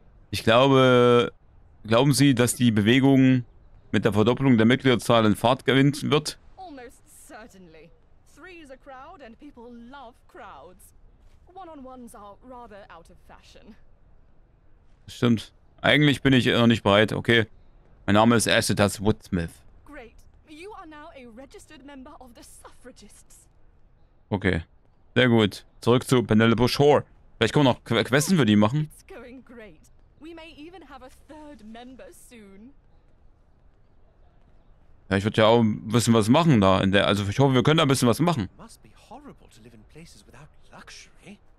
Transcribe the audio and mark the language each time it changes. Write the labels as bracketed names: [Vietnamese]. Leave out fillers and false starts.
[German] Ich glaube, glauben Sie, dass die Bewegung mit der Verdoppelung der Mitgliederzahl in Fahrt gewinnen wird? [English] Almost certainly. Three is a crowd and people love crowds. One-on-ones are rather out of fashion. [German] Stimmt. Eigentlich bin ich noch nicht bereit. Okay. Mein Name ist Asutas Whitsmith. [English] Great. You are now a registered member of the suffragists. [German] Okay. Sehr gut. Zurück zu Penelope Shore. Vielleicht können wir noch Questen für die machen. [English] It's going great. We may even have a third member soon. [German] Ja, ich würde ja auch ein bisschen was machen da in der. Also ich hoffe, wir können da ein bisschen was machen. [English] Must be horrible to live in places without luxury.